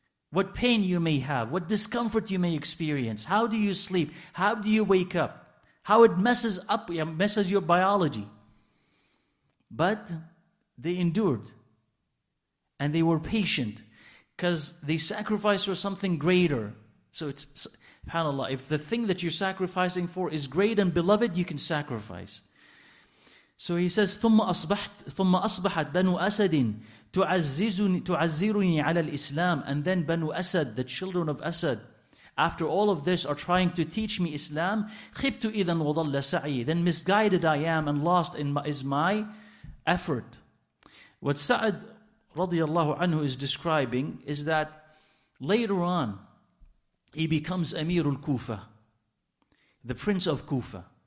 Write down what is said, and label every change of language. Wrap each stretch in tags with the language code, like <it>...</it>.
<en>What pain you may have, what discomfort you may experience, how do you sleep, how do you wake up, how it messes your biology. But they endured and they were patient because they sacrificed for something greater. So it's, subhanAllah, if the thing that you're sacrificing for is great and beloved, you can sacrifice. So he says,</en> <ar>ثُمَّ أَصْبَحَتْ بَنُوا أَسَدٍ تُعَزِّرُنِي عَلَى الْإِسْلَامِ.</ar> <en>And then Banu Asad, the children of Asad, after all of this are trying to teach me Islam.</en> <ar>خِبْتُ إِذًا وَضَلَّ سَعِي.</ar> <en>Then misguided I am and lost is my effort. What Sa'ad radiallahu anhu is describing is that later on, he becomes Amir al-Kufa, the prince of Kufa.</en>